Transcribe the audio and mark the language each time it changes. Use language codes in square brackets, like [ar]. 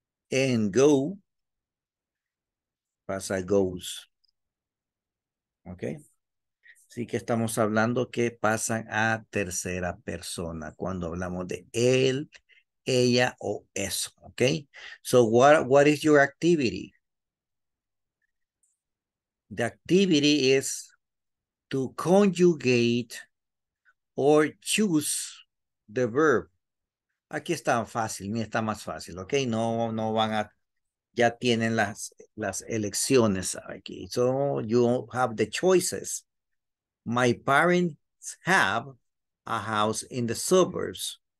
[en] And go. Pasa goes. Okay. [es] Así que estamos hablando que pasan a tercera persona cuando hablamos de él, ella o eso. [en] Okay. So what is your activity? The activity is to conjugate or choose the verb. [es] Aquí está fácil, mira, está más fácil, okay? No van a, ya tienen las elecciones aquí. [en] So you have the choices. My parents have a house in the suburbs.